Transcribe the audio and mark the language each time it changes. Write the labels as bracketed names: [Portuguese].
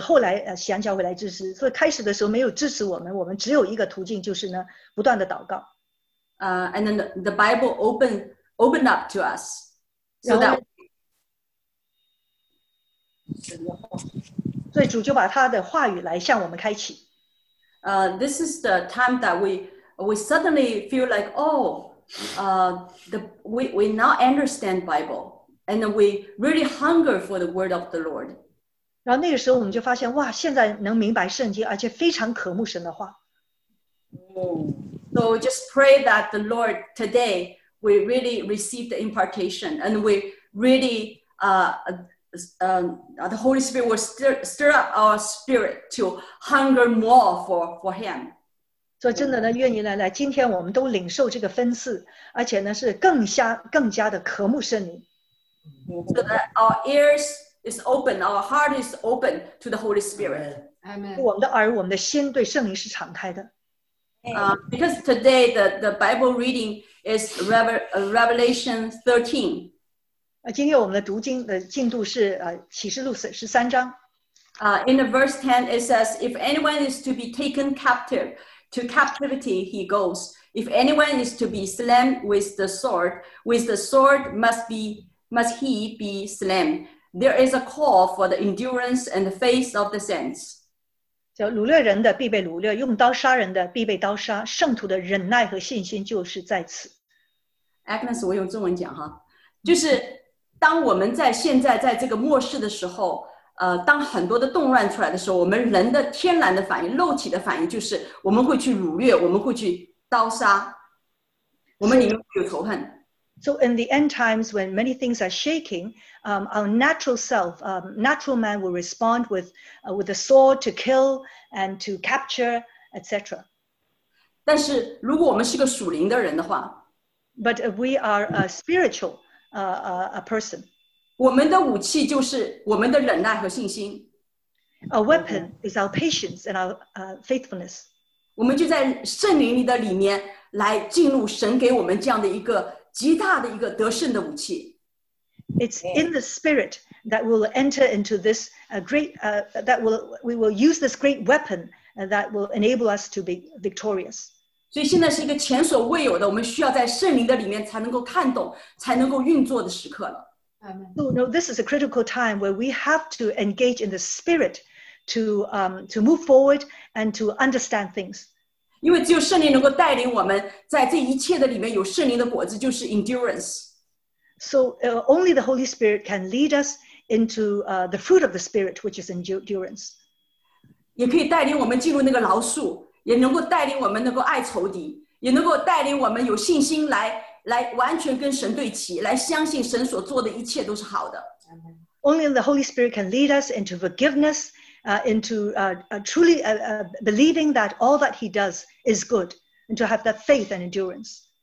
[Chinese] 后来西安教会来支持，所以开始的时候没有支持我们。我们只有一个途径，就是呢，不断的祷告。 [English] And then the Bible opened up to us. So that. [Chinese] 所以主就把他的话语来向我们开启。 [English] This is the time that we suddenly feel like oh. We now understand Bible, and we really hunger for the word of the Lord. [Chinese] 然后那个时候我们就发现，哇，现在能明白圣经，而且非常渴慕神的话。 [English] So just pray that the Lord today we really receive the impartation, and we really the Holy Spirit will stir up our spirit to hunger more for Him. [Chinese] 所以真的呢，愿意来，今天我们都领受这个分赐，而且呢是更加的渴慕圣灵。 [English] So that our ears is open, our heart is open to the Holy Spirit. Amen. [Chinese] 我们的耳，我们的心对圣灵是敞开的。 [English] Because today the Bible reading is Revelation 13. [Chinese] 今天我们的读经的进度是启示录13章。 [English] In the verse 10 it says, if anyone is to be taken captive. To captivity he goes. If anyone is to be slain with the sword must he be slain. There is a call for the endurance and the faith of the saints. [Chinese] 叫掳掠人的必被掳掠，用刀杀人的必被刀杀。圣徒的忍耐和信心就是在此。 Agnes， 我用中文讲哈，就是当我们在现在在这个末世的时候。当很多的动乱出来的时候，我们人的天然的反应、肉体的反应就是我们会去掳掠，我们会去刀杀，我们里面会有仇恨。 [English] So in the end times, when many things are shaking, our natural self, natural man will respond with a sword to kill and to capture, etc. [Chinese] 但是如果我们是个属灵的人的话 [English] ，But if we are a spiritual, a person. [Chinese] 我们的武器就是我们的忍耐和信心。 [English] A weapon is our patience and our faithfulness. [Chinese] 我们就在圣灵里的里面来进入神给我们这样的一个极大的一个得胜的武器。 [English] It's in the spirit that will enter into this great that will we will use this great weapon that will enable us to be victorious. [Chinese] 所以现在是一个前所未有的，我们需要在圣灵的里面才能够看懂，才能够运作的时刻了。 [English] So, no, this is a critical time where we have to engage in the spirit to move forward and to understand things. [Chinese] 因为只有圣灵能够带领我们在这一切的里面有圣灵的果子，就是 endurance. [English] So, only the Holy Spirit can lead us into the fruit of the Spirit, which is endurance. [Chinese] 也可以带领我们进入那个牢树, 也能够带领我们能够爱仇敌, 也能够带领我们有信心来, 来完全跟神对齐, 来相信神所做的一切都是好的。 [English] Only the Holy Spirit can lead us into forgiveness, into truly believing that all that he does is good, and to have that faith and endurance.